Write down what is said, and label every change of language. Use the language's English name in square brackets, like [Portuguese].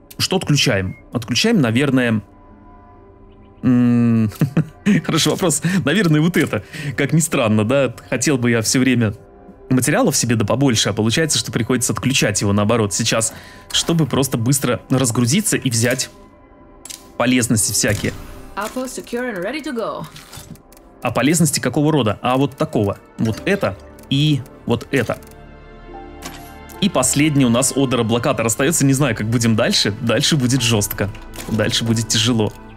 [Russian] Что отключаем? Отключаем, наверное... Хороший вопрос. Наверное, вот это. Как ни странно, да? Хотел бы я все время материалов себе да побольше, а получается, что приходится отключать его наоборот сейчас, чтобы просто быстро разгрузиться и взять полезности всякие. [English] Apple secure and ready to go. [Russian] А полезности какого рода? А вот такого. Вот это и вот это. И последний у нас Order Blockator остается. Не знаю, как будем дальше. Дальше будет жестко. Дальше будет тяжело.